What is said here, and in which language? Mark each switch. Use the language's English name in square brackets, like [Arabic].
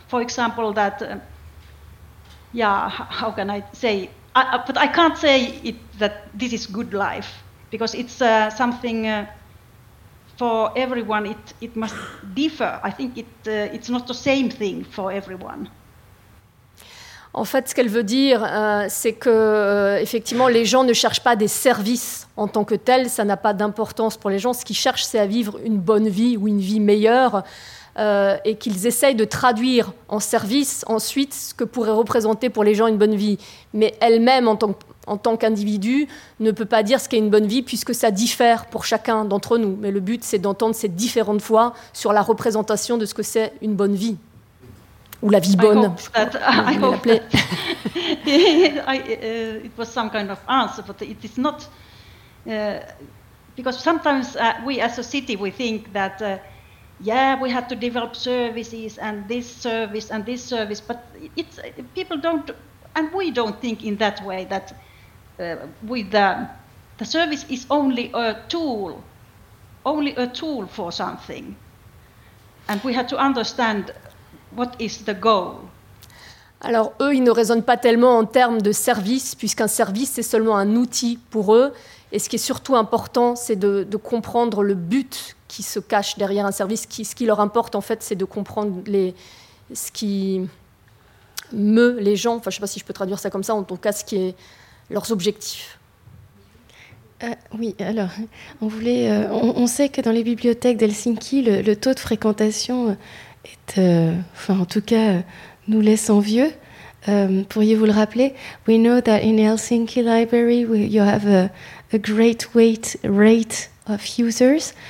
[English] For example, that how can I say? But I can't say it that this is good life. Because it's something for everyone, it must differ. I think it's not the same thing for everyone. [French] En fait, ce qu'elle veut dire, c'est que effectivement, les gens ne cherchent pas des services en tant que tels. Ça n'a pas d'importance pour les gens. Ce qu'ils cherchent, c'est à vivre une bonne vie ou une vie meilleure. Et qu'ils essayent de traduire en service ensuite ce que pourrait représenter pour les gens une bonne vie. Mais elle-même, en tant qu'individu, ne peut pas dire ce qu'est une bonne vie puisque ça diffère pour chacun d'entre nous. Mais le but, c'est d'entendre ces différentes voix sur la représentation de ce que c'est une bonne vie. Ou la vie bonne. [English] I hope that it was some kind of answer, but it is not... because sometimes we as a city, we think that... yeah, we have to develop services and this service and this service, but it's people don't, and we don't think in that way that the service is only a tool for something, and we have to understand what is the goal. [French] Alors eux, ils ne raisonnent pas tellement en termes de service, puisqu'un service c'est seulement un outil pour eux. Et ce qui est surtout important, c'est de comprendre le but qui se cache derrière un service. Ce qui leur importe, en fait, c'est de comprendre ce qui meut les gens. Enfin, je ne sais pas si je peux traduire ça comme ça. En tout cas, ce qui est leurs objectifs. Oui, alors, on sait que dans les bibliothèques d'Helsinki, le taux de fréquentation est, enfin, en tout cas, nous laisse envieux. Pourriez-vous le rappeler? [English] We know that in Helsinki Library you have a great weight rate of users.